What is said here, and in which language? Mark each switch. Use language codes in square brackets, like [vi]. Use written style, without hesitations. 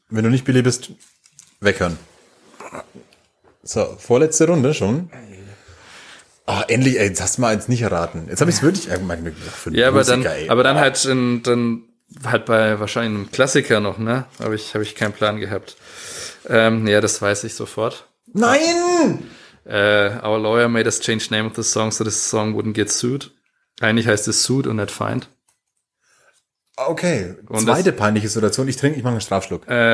[de] Wenn du nicht Billy bist, weghören. So, vorletzte Runde schon. Oh, endlich, ey, jetzt hast du mal eins nicht erraten. Jetzt habe ich es wirklich irgendwann gedacht. Ja, Musiker, aber dann halt halt bei wahrscheinlich einem Klassiker noch, ne? Hab ich keinen Plan gehabt. Das weiß ich sofort. Nein! [en] Our lawyer made us change name of the song, so this song wouldn't get sued. [de] Eigentlich heißt es sued und [en] not fined. [de] Okay, und zweite peinliche Situation. Ich mache einen Strafschluck.